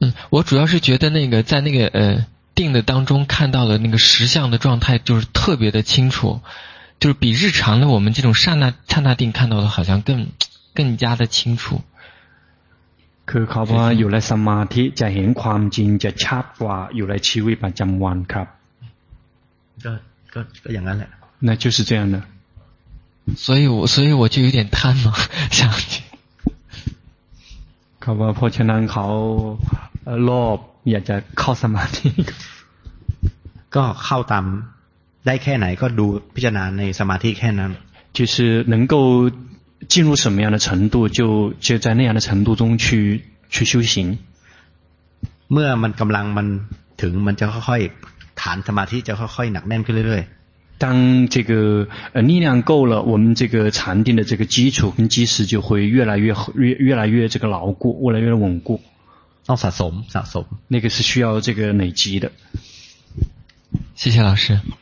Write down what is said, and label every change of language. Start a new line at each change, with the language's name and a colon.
Chinese: 我主要是觉得那个在那个定的当中看到的那个实相的状态就是特别的清楚就是比日常的我们这种刹那定看到的好像更加的清楚
Thai: คือเขาบอกว่าอยู่ในสมาธิจะเห็นความจริงจะชัดกว่าอยู่ในชีวิตประจำวันครับ ก็อย่างนั้นแหละ
Chinese: 那就是这样的所以我就有点贪嘛想去
Thai: เขาบอกว่าเพราะฉะนั้นเขาโลภอยากจะเข้าสมาธิ ก็เข้าตามได้แค่ไหนก็ดูพิจารณาในสมาธิแค่นั้น
Chinese: 就是能够进入什么样的程度就在那样的程度中去修行
Thai: เมื่อมันกำลังมันถึงมันจะค่อยๆฐานสมาธิจะค่อยๆหนักแน่นขึ้นเรื่อย
Chinese: ๆ当这个力量够了我们这个禅定的这个基础跟基石就会越来越这个牢固越来越稳固
Thai: ต้องสะสม
Chinese: 那个是需要这个累积的谢谢老师